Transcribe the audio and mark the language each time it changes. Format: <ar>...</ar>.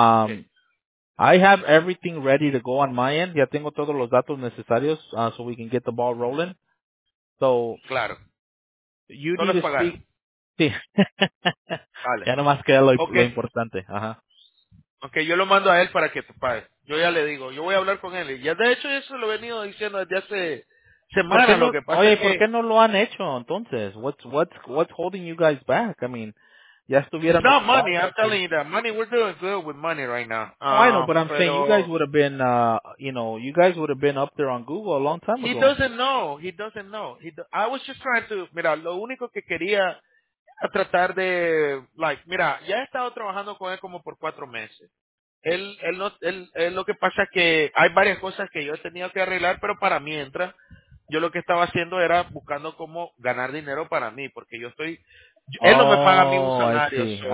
<en>Okay. I have everything ready to go on my end.</en> <es>Ya tengo todos los datos necesarios,</es> <en>so we can get the ball rolling. So.</en> <es>Claro.</es> <en>You need to</en> <es>pagar. Sí. Vale. Ya nomás queda lo importante. Ajá. Okay, yo lo mando a él para que te pague. Yo ya le digo, yo voy a hablar con él. Ya de hecho eso lo he venido diciendo desde hace semana, no, lo que pasa. Oye, que, ¿por qué no lo han hecho entonces?</es> <en>What's holding you guys back? I mean,</en> <es>ya estuvieran.</es> <en>No, money, I'm telling you that. Money, we're doing good with money right now. I know, but I'm saying you guys would have been, you guys would have been up there on Google a long time ago. He doesn't know. I was just trying to,</en> <es>mira, lo único que quería a tratar de, like, mira, ya he estado trabajando con él como por 4 meses. Él lo que pasa es que hay varias cosas que yo he tenido que arreglar, pero para mientras, yo lo que estaba haciendo era buscando cómo ganar dinero para mí, porque yo estoy, él no me paga a mí un salario.</es>